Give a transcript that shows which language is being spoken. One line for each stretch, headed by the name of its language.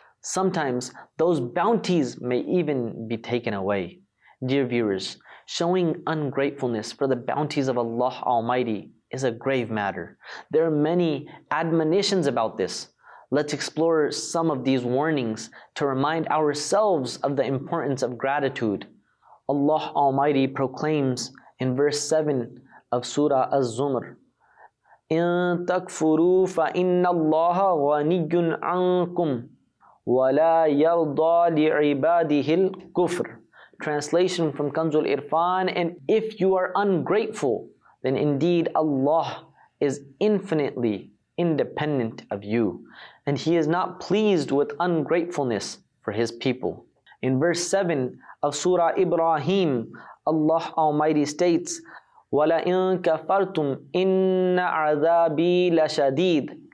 English: Sometimes those bounties may even be taken away. Dear viewers, showing ungratefulness for the bounties of Allah Almighty is a grave matter. There are many admonitions about this. Let's explore some of these warnings to remind ourselves of the importance of gratitude. Allah Almighty proclaims in verse 7 of Surah Az-Zumr,
Arabic: إِن تَكْفُرُوا فَإِنَّ اللَّهَ غَنِيٌّ عَنْكُمْ وَلَا يَرْضَى لِعِبَادِهِ الْكُفْرِ.
English: Translation from Kanzul Irfan: and if you are ungrateful, then indeed Allah is infinitely independent of you, and He is not pleased with ungratefulness for His people. In verse 7 of Surah Ibrahim, Allah Almighty states,
Arabic: وَلَئِن كَفَرْتُمْ إِنَّ عَذَابِي لَشَدِيدٌ.